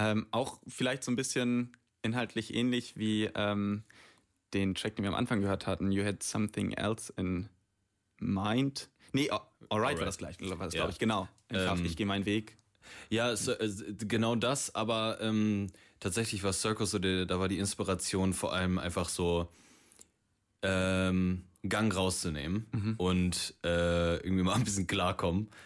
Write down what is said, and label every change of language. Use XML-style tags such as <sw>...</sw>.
<de>Auch vielleicht so ein bisschen inhaltlich ähnlich wie den Track, den wir am Anfang gehört hatten.</de> <en>You had something else in mind.</en> <de>Nee, alright, war das gleich. Glaube ich, genau. Ich gehe meinen Weg. Ja, so, genau das. Aber tatsächlich war Circles, so, da war die Inspiration vor allem einfach so Gang rauszunehmen und irgendwie mal ein bisschen klarkommen.</de>